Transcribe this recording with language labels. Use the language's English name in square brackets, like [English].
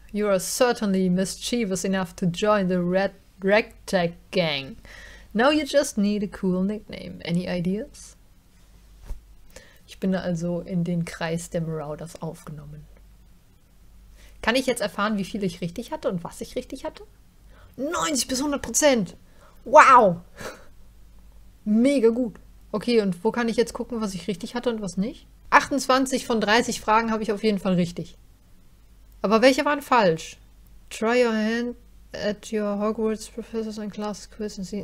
[English] You are certainly mischievous enough to join the Red Ragtag Gang. Now you just need a cool nickname. Any ideas? [German] Ich bin also in den Kreis der Marauders aufgenommen. Kann ich jetzt erfahren, wie viel ich richtig hatte und was ich richtig hatte? 90% bis 100%. Wow! Mega gut. Okay, und wo kann ich jetzt gucken, was ich richtig hatte und was nicht? 28 von 30 Fragen habe ich auf jeden Fall richtig. Aber welche waren falsch? [English] Try your hand at your Hogwarts Professors and Class Quiz and see.